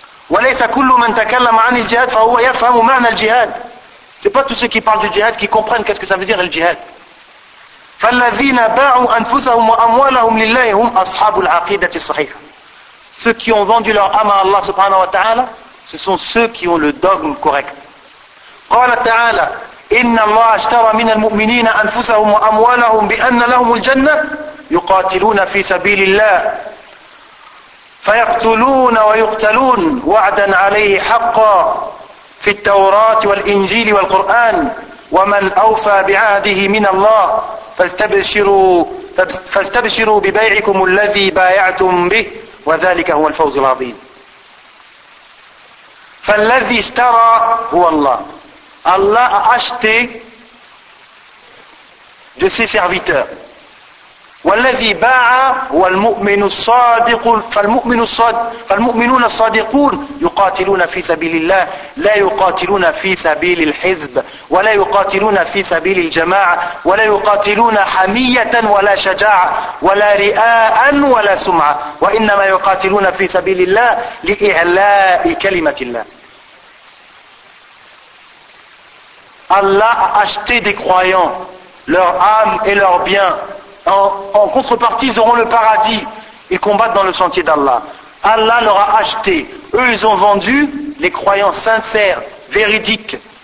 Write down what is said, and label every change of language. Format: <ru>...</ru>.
<ar>وَلَيْسَ كُلُّ مَنْ تَكَلَّمَ عَنِ الْجِهَادِ فَهُوَ يَفْهَمُ مَعْنَ الْجِهَادِ.</ar> <fr>C'est pas tous ceux qui parlent du djihad qui comprennent qu'est-ce que ça veut dire le djihad.</fr> <ar>فَالَّذِينَ بَاعُوا أَنفُسَهُمْ وَأَمْوَالَهُمْ لِلَّهِ هُمْ أَصْحَابُ الْعَقِيدَةِ الصَّحِيحَةِ.</ar> <fr>Ceux qui ont vendu leur âme à Allah subhanahu wa ta'ala, ce sont ceux qui ont le dogme correct.</fr> <ar>قَالَ تَعَالَى إِنَّ اللَّهَ اشْتَرَى مِنَ الْمُؤْمِنِينَ أَنفُسَهُمْ وَأَمْوَالَهُمْ بِأَنَّ لَهُمُ الْجَنَّةَ يُقَاتِلُونَ فِي سَبِيلِ اللَّهِ فيقتلون ويقتلون وعدا عليه حقا في التوراة والإنجيل والقرآن ومن أوفى بعهده من الله فاستبشروا ببيعكم الذي بايعتم به وذلك هو الفوز العظيم. فالذي اشترى هو الله. الله أشتي</ar> <fr>de ses serviteurs.</fr> <ar>والذي باع هو المؤمن الصادق فالمؤمن الصادق فالمؤمنون الصادقون يقاتلون في سبيل الله لا يقاتلون في سبيل الحزب ولا يقاتلون في سبيل الجماعة ولا يقاتلون حمية ولا شجاعة ولا رئاء ولا سمعة وإنما يقاتلون في سبيل الله لإعلاء كلمة الله. الله أشتي</ar> <fr>des croyants leur âme et leur bien. En contrepartie, ils auront le paradis. Ils combattent dans le sentier d'Allah. Allah leur a acheté. Eux, ils ont vendu les croyants sincères, véridiques.</fr>